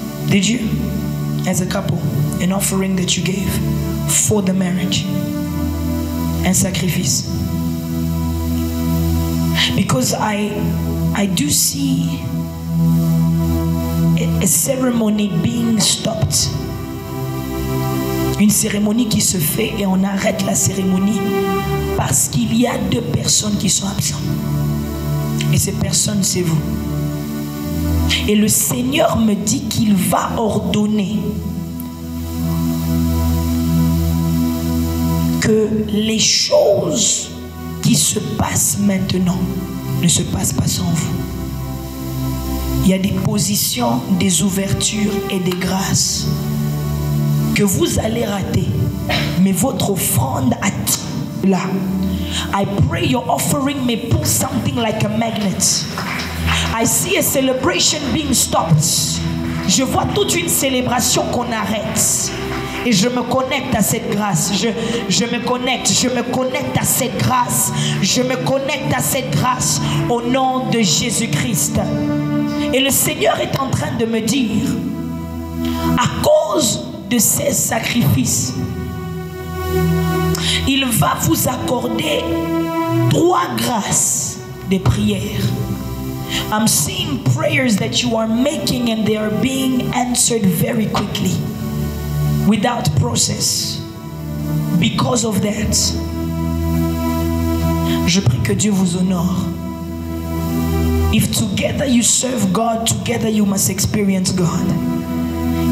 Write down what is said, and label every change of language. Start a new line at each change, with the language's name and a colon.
English: Did you? As a couple, an offering that you gave for the marriage. And sacrifice. Because I do see a ceremony being stopped.
French: Une cérémonie qui se fait et on arrête la cérémonie parce qu'il y a deux personnes qui sont absentes. Et ces personnes, c'est vous. Et le Seigneur me dit qu'il va ordonner que les choses qui se passent maintenant ne se passent pas sans vous. Il y a des positions, des ouvertures et des grâces que vous allez rater. Mais votre offrande là.
English: I pray your offering may pull something like a magnet. I see a celebration being stopped.
French: Je vois toute une célébration qu'on arrête. Et je me connecte à cette grâce. Je me connecte. Je me connecte à cette grâce. Je me connecte à cette grâce au nom de Jésus-Christ. Et le Seigneur est en train de me dire, à cause de ces sacrifices, il va vous accorder 3 grâces de prière.
English: I'm seeing prayers that you are making and they are being answered very quickly, without process, because of that.
French: Je prie que Dieu vous honore.
English: If together you serve God, together you must experience God.